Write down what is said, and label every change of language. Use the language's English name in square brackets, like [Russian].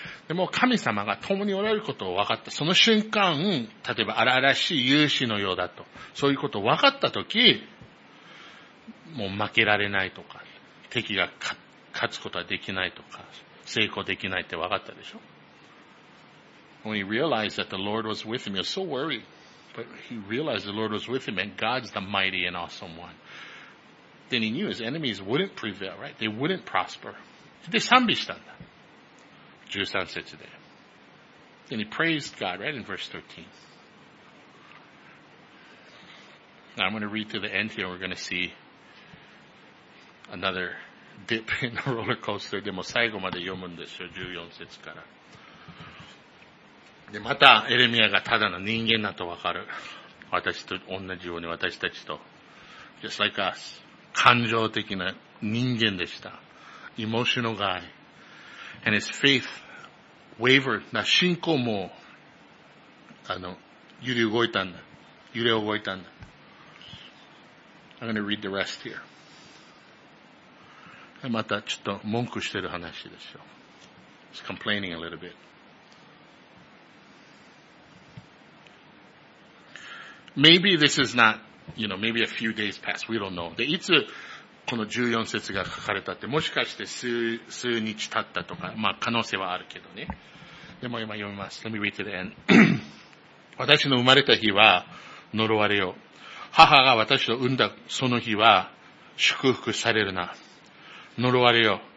[Japanese] でも神様が共におられることを分かった。その瞬間、例えば荒々しい勇士のようだと、そういうことを分かったとき、もう負けられないとか、敵が勝つことはできないとか、成功できないって分かったでしょ。 [English] When he realized that the Lord was with him, he was so worried. But he realized the Lord was with him and God's the mighty and awesome one. Then he knew his enemies wouldn't prevail, right? They wouldn't prosper. [Japanese] で、賛美したんだ。 13節で。 [English] Then he praised God, right, in verse 13. Now I'm going to read to the end here and we're going to see another dip in a roller coaster. [Japanese] でも最後まで読むんですよ、14節から。で、またエレミアがただの人間だとわかる。私と同じように私たちと。 [English] Just like us. [Japanese] 感情的な人間でした。 [English] Emotional guy. And his faith wavered. [Japanese] な信仰も、揺れ動いたんだ。揺れ動いたんだ。 [English] I'm gonna read the rest here. [Japanese] またちょっと文句してる話ですよ。 [English] He's complaining a little bit. Maybe this is not, you know, maybe a few days passed. We don't know. [Japanese] で、いつ、この14節が書かれたって、もしかして数日経ったとか、まあ可能性はあるけどね。でも今読みます。 [English] Let me read to the end. [Japanese] 私の生まれた日は呪われよ。母が私を産んだその日は祝福されるな。呪われよ。